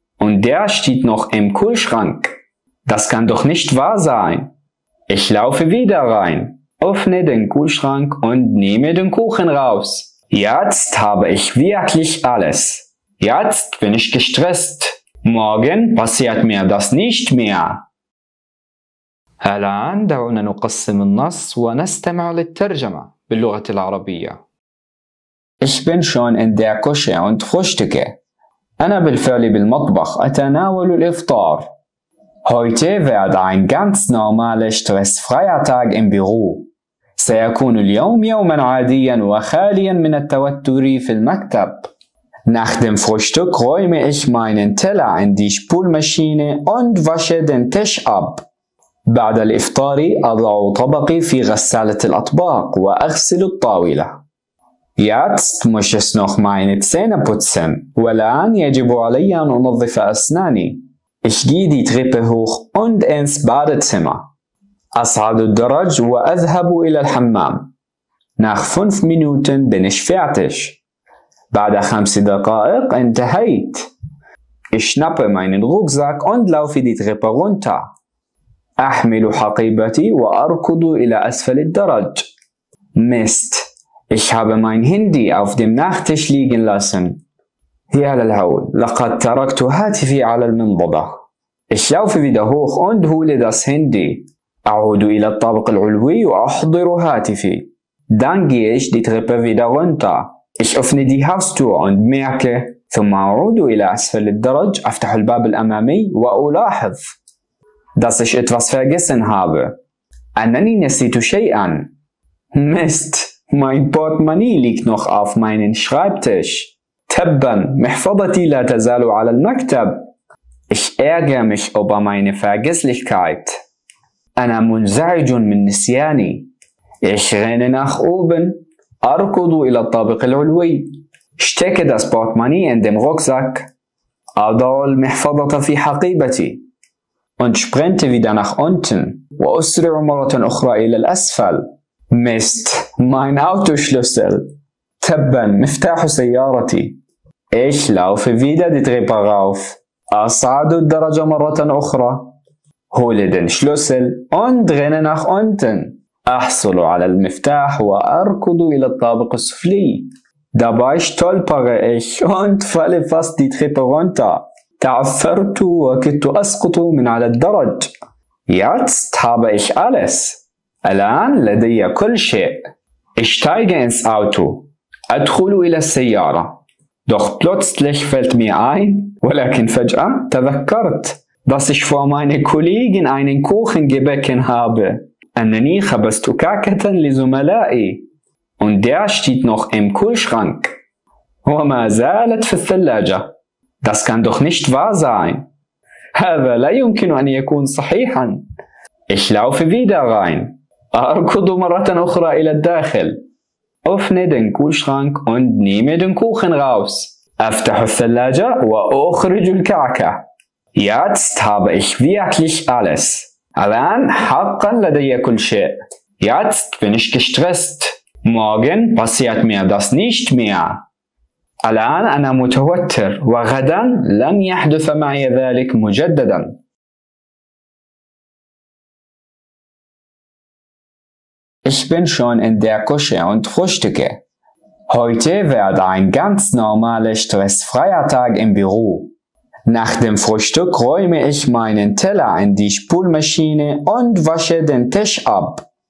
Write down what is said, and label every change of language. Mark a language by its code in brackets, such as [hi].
[de] Und der steht noch im Kühlschrank. Das kann doch nicht wahr sein. Ich laufe wieder rein, öffne den Kühlschrank und nehme den Kuchen raus. Jetzt habe ich wirklich alles. Jetzt bin ich gestresst. Morgen passiert mir das nicht mehr. [ar] الآن دعونا نقسم النص ونستمع للترجمة باللغة العربية. [de] Ich bin schon in der Küche und frühstücke. [ar] أنا بالفعل بالمطبخ أتناول الإفطار. [de] Heute wird ein ganz normaler, stressfreier Tag im Büro. [ar] سيكون اليوم يوما عاديا وخاليا من التوتر في المكتب. [de] Nach dem Frühstück räume ich meinen Teller in die Spülmaschine und wasche den Tisch ab. [ar] بعد الإفطار أضع طبقي في غسالة الأطباق وأغسل الطاولة. [de] Jetzt muss ich noch meine Zähne putzen. [ar] والآن يجب علي أن أنظف أسناني. [de] Ich gehe die Treppe hoch und ins Badezimmer. [ar] أصعد الدرج وأذهب إلى الحمام. [de] Nach 5 Minuten bin ich fertig. [ar] بعد 5 دقائق انتهيت. [de] Ich schnappe meinen Rucksack und laufe die Treppe runter. [ar] أحمل حقيبتي وأركض إلى أسفل الدرج. [de] Mist. Ich habe mein Handy auf dem Nachttisch liegen lassen. [ar] يا للهول. لقد تركت هاتفي على المنضدة. [de] Ich laufe wieder hoch und hole das Handy. [ar] أعود إلى الطابق العلوي وأحضر هاتفي. [de] Dann gehe ich die Treppe wieder runter. Ich öffne die Haustür und merke, [ar] ثم أعود إلى أسفل الدرج, أفتح الباب الأمامي وألاحظ, [de] dass ich etwas vergessen habe. [ar] أنني نسيت شيئاً. [de] Mist, mein Portemonnaie liegt noch auf meinem Schreibtisch. [ar] تباً, محفظتي لا تزال على المكتب. [de] Ich ärgere mich über meine Vergesslichkeit. [ar] أنا منزعج من نسياني. [de] Ich renne nach oben. [ar] أركض إلى الطابق العلوي. [de] Stecke das Portemonnaie in dem Rucksack. [ar] أضع المحفظة في حقيبتي. [de] Und sprinte wieder nach unten. [ar] وأسرع مرة أخرى إلى الأسفل. [de] Mist, mein Autoschlüssel. [ar] تباً, مفتاح سيارتي. [de] Ich laufe wieder die Treppe rauf. [ar] أصعد الدرج مرة أخرى. [de] Hole den Schlüssel und renne nach unten. [ar] أحصل على المفتاح وأركض إلى الطابق السفلي. [de] Dabei stolpere ich und falle fast die Treppe runter. [ar] تعثرت وكدت أسقط من على الدرج. [de] Jetzt habe ich alles. [ar] الآن لدي كل شيء. [de] Ich steige ins Auto. [ar] أدخل إلى السيارة. [de] Doch plötzlich fällt mir ein, [ar] ولكن فجأة تذكرت, [de] dass ich vor meine Kollegen einen Kuchen gebacken habe. [ar] أنني خبزت كعكة لزملائي. [de] Und der steht noch im Kühlschrank. [ar] وما زالت في الثلاجة. [de] Das kann doch nicht wahr sein. [ar] هذا لا يمكن أن يكون صحيحا. [de] Ich laufe wieder rein. [ar] أركض مرة أخرى إلى الداخل. [de] Öffne den Kühlschrank und nehme den Kuchen raus. [ar] أفتح الثلاجة وأخرج الكعكة. [de] Jetzt habe ich wirklich alles. [ar] الآن حقا لدي كل شيء. [de] Jetzt bin ich gestresst. Morgen passiert mir das nicht mehr. [ar] الآن أنا متوتر وغدا لن يحدث معي ذلك مجددا. [de] Ich bin schon in der Küche und frühstücke. Heute wird ein ganz normaler, stressfreier Tag im Büro. Nach dem Frühstück räume ich meinen Teller in die Spülmaschine und wasche den Tisch ab.